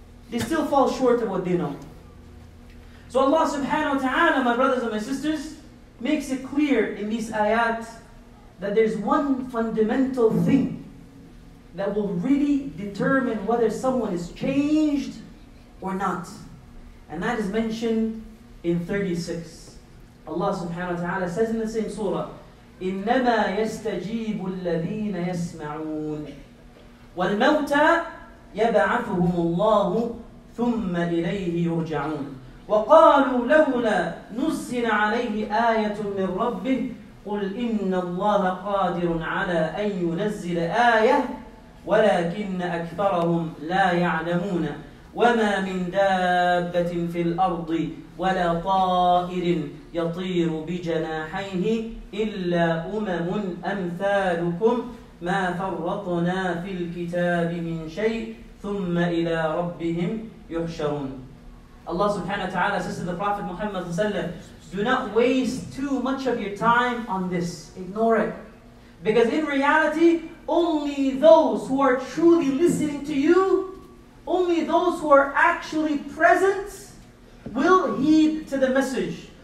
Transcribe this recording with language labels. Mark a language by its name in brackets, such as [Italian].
[English] They still fall short of what they know. So Allah subhanahu wa ta'ala, my brothers and my sisters, makes it clear in these ayat that there's one fundamental thing that will really determine whether someone is changed or not. And that is mentioned in 36. [Arabic] Allah subhanahu wa ta'ala says in the same surah, إِنَّمَا يَسْتَجِيبُ الَّذِينَ يَسْمَعُونَ وَالْمَوْتَى يَبَعَثُهُمُ اللَّهُ ثُمَّ إِلَيْهِ يُرْجَعُونَ وَقَالُوا لَوْلَا نُزِّلَ عَلَيْهِ آيَةٌ مِّن رَّبِّهِ قُلْ إِنَّ اللَّهَ قَادِرٌ عَلَى أَن يُنَزِّلَ آيَةً وَلَكِنَّ أَكْثَرَهُمْ لَا يَعْلَمُونَ وَمَا مِن دَابَّةٍ فِي الْأَرْضِ وَلَا طَائِرٍ يَطِيرُ بِجَنَاحَيْهِ إِلَّا أُمَمٌ أَمْثَالُكُمْ مَا فَرَّطْنَا فِي الْكِتَابِ مِنْ شَيْءٍ ثُمَّ إِلَى رَبِّهِمْ يُحْشَرُونَ. [English] Allah subhanahu wa ta'ala says to the Prophet Muhammad sallallahu alayhi wa sallam, do not waste too much of your time on this. Ignore it. Because in reality, only those who are truly listening to you, only those who are actually present will heed to the message.